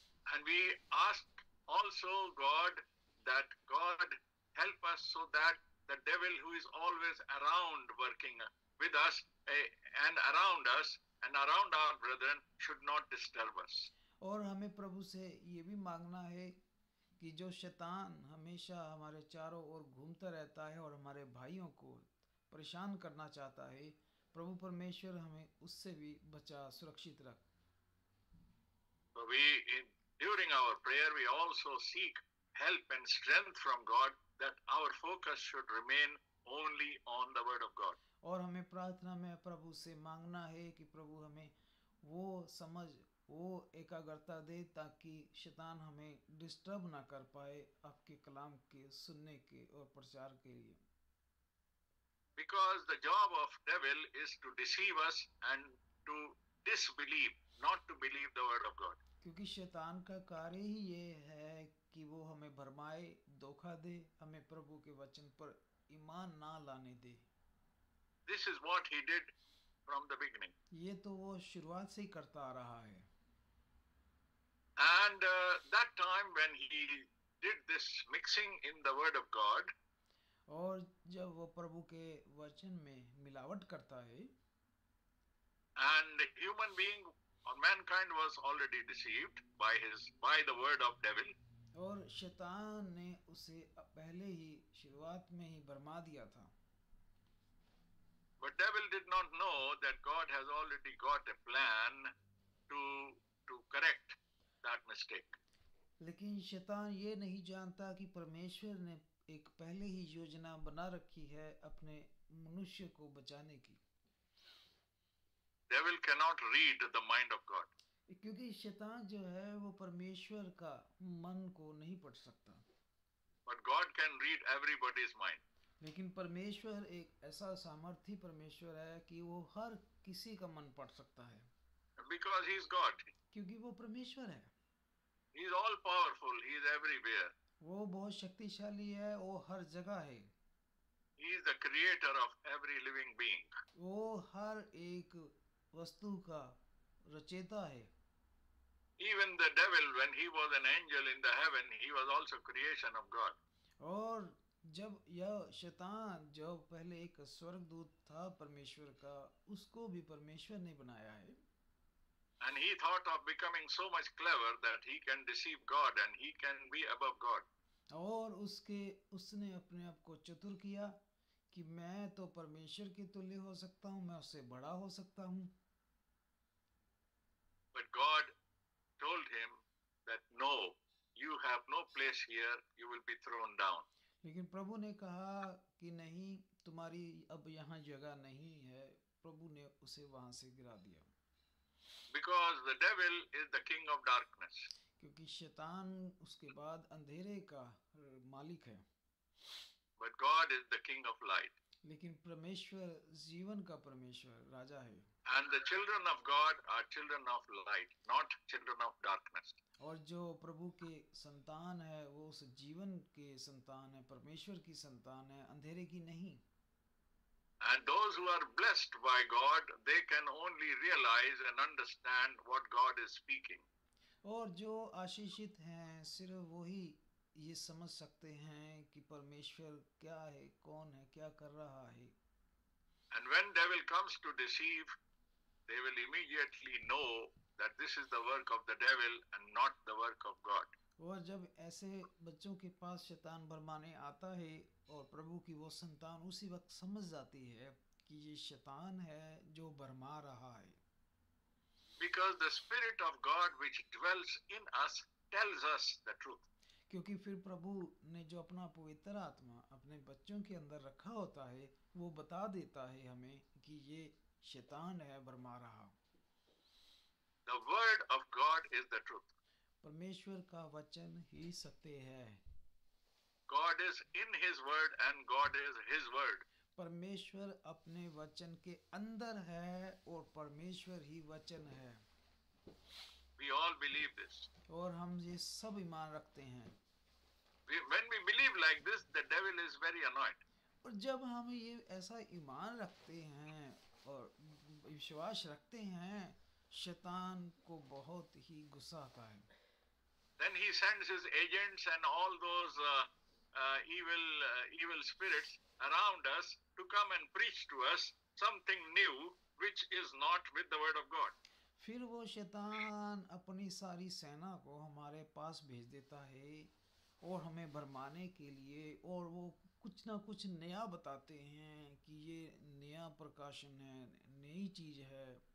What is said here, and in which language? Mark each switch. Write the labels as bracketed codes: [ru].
[en] And we ask also God that God help us so that the devil who is always around working with us and around us and around our brethren should not disturb us. [hi] और हमें प्रभु से ये भी मांगना है कि जो शैतान हमेशा हमारे चारों ओर घूमता रहता है और हमारे भाइयों को परेशान करना चाहता है, प्रभु परमेश्वर हमें उससे भी बचा, सुरक्षित रख. [en] So we, during our prayer, we also seek help and strength from God that our focus should remain only on the word of God. [hi] और हमें प्रार्थना में प्रभु से मांगना है कि प्रभु हमें वो समझ वो एकाग्रता दे ताकि शैतान हमें डिस्टर्ब ना कर पाए आपके कलाम के सुनने के और प्रचार के लिए. [en] Because the job of devil is to deceive us and to disbelieve, not to believe the word of God. [hi] क्योंकि शैतान का कार्य ही ये है कि वो हमें भरमाए, धोखा दे, हमें प्रभु के वचन पर ईमान ना लाने दे. [en] This is what he did from the beginning. [hi] ये तो वो शुरुआत से ही करता आ रहा है. [en] And that time when he did this mixing in the word of God, [hi] और जब वो प्रभु के वचन में मिलावट करता है, [en] and human being or mankind was already deceived by the word of devil, [hi] और शैतान ने उसे पहले ही शुरुआत में ही भरमा दिया था. [en] But devil did not know that God has already got a plan to correct that mistake. [hi] लेकिन शैतान ये नहीं जानता कि परमेश्वर ने एक पहले ही योजना बना रखी है अपने मनुष्य को बचाने की. [en] Devil cannot read the mind of God. [hi] क्योंकि शैतान जो है वो परमेश्वर का मन को नहीं पढ़ सकता. [en] But God can read everybody's mind. [hi] लेकिन परमेश्वर एक ऐसा सामर्थी परमेश्वर है कि वो हर किसी का मन पढ़ सकता है. [en] Because he is God. [hi] क्योंकि वो परमेश्वर है. [en] He is all powerful. He is everywhere. [hi] वो बहुत शक्तिशाली है. वो हर जगह है. [en] He is the creator of every living being. [hi] वो हर एक वस्तु का रचेता है. [en] Even the devil, when he was an angel in the heaven, he was also creation of God. [hi] और जब यह शैतान जो पहले एक स्वर्गदूत था परमेश्वर का, उसको भी परमेश्वर ने बनाया है. [en] And he thought of becoming so much clever that he can deceive God and he can be above God. [hi] और उसके उसने अपने आप को चतुर किया कि मैं तो परमेश्वर के तुल्य हो सकता हूँ, मैं उससे बड़ा हो सकता हूँ। [en] But God told him that no, you have no place here. You will be thrown down. [hi] लेकिन प्रभु ने कहा कि नहीं, तुम्हारी अब यहाँ जगह नहीं है। प्रभु ने उसे वहाँ से गिरा दिया। [en] Because the devil is the king of darkness. [hi] क्योंकि शैतान उसके बाद अंधेरे का मालिक है। [en] But God is the king of light. [hi] लेकिन परमेश्वर जीवन का परमेश्वर राजा है। [en] And the children of God are children of light, not children of darkness. [hi] और जो प्रभु के संतान है वो उस जीवन के संतान है, परमेश्वर की संतान है, अंधेरे की नहीं। [en] And those who are blessed by God, they can only realize and understand what God is speaking. [hi] और जो आशीषित हैं सिर्फ वही ये समझ सकते हैं कि परमेश्वर क्या है, कौन है, क्या कर रहा है। [en] And when devil comes to deceive, they will immediately know that this is the work of the devil and not the work of God. [hi] और जब ऐसे बच्चों के पास शैतान भरमाने आता है और प्रभु की वो संतान उसी वक्त समझ जाती है कि ये शैतान है जो भरमा रहा है। [en] Because the spirit of God which dwells in us tells us the truth. [hi] क्योंकि फिर प्रभु ने जो अपना पवित्र आत्मा अपने बच्चों के अंदर रखा होता है वो बता देता है हमें कि ये शैतान है भरमा रहा। [en] The word of God is the truth. [hi] परमेश्वर का वचन ही सत्य है। [en] God is in his word and God is his word. [hi] परमेश्वर अपने वचन के अंदर है और परमेश्वर ही वचन है। [en] We all believe this. [hi] और हम ये सब ईमान रखते हैं। [en] When we believe like this, the devil is very annoyed. [hi] और जब हम ये ऐसा ईमान रखते हैं और विश्वास रखते हैं, शैतान को बहुत ही गुस्सा आता है। [en] Then he sends his agents and all those evil spirits around us to come and preach to us something new which is not with the word of God. [hi] फिर वो शैतान अपनी सारी सेना को हमारे पास भेज देता है और हमें भरमाने के लिए, और वो कुछ ना कुछ नया बताते हैं कि ये नया प्रकाशन है, नई चीज है।